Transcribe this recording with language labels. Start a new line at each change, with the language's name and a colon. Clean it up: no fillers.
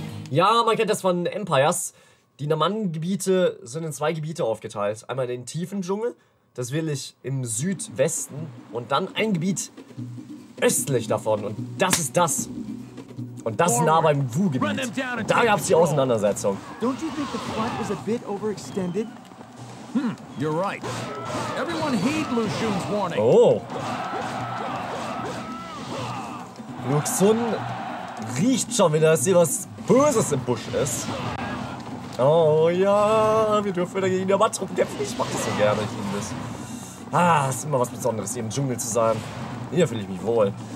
German: Ja, man kennt das von Empires. Die Naman-Gebiete sind in zwei Gebiete aufgeteilt: einmal den tiefen Dschungel, das will ich im Südwesten. Und dann ein Gebiet östlich davon. Und das ist das. Und das nah beim Wu-Gebiet. Da gab es die Auseinandersetzung.
English: Don't you think the front is a bit overextended? Hm, you're right. Everyone heed Lu Xun's warning. Oh.
German: Lu Xun riecht schon wieder, dass hier was Böses im Busch ist. Oh ja, wir dürfen wieder gegen die Naman-Truppen kämpfen. Ich mach das so gerne, ich liebe das. Ah, ist immer was Besonderes, hier im Dschungel zu sein. Hier fühle ich mich wohl.